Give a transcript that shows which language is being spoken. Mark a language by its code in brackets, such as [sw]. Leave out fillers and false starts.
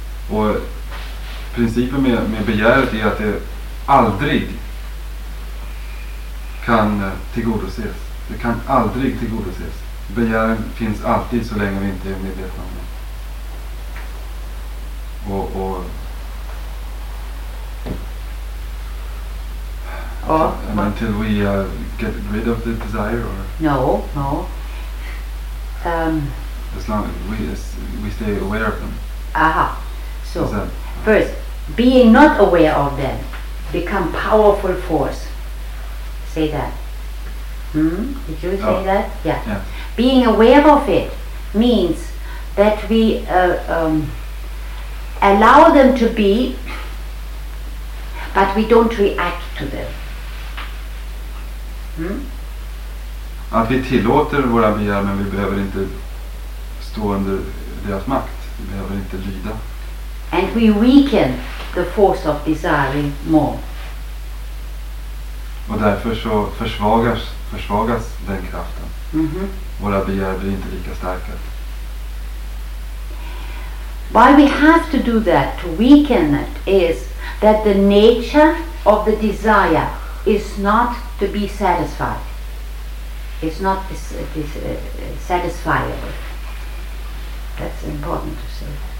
[sv] Och principen med begäret är att det aldrig kan tillgodoses. Det kan aldrig tillgodoses. Begären finns alltid så länge vi inte är medvetna om det. [en] Och until we get rid of the desire, or no. As long as we stay aware of them. Aha. So first, being not aware of them become powerful force. Say that. Did you say that? Yeah. Being aware of it means that we allow them to be, but we don't react to them. [sv] Att vi tillåter våra begär, men vi behöver inte stå under deras makt. Vi behöver inte lyda. [en] And we weaken the force of desiring more. [sv] Och därför så försvagas den kraften. Våra begär blir inte lika starka. [en] Why we have to do that, to weaken it, is that the nature of the desire is not to be satisfied. it's not this satisfiable. That's important to say.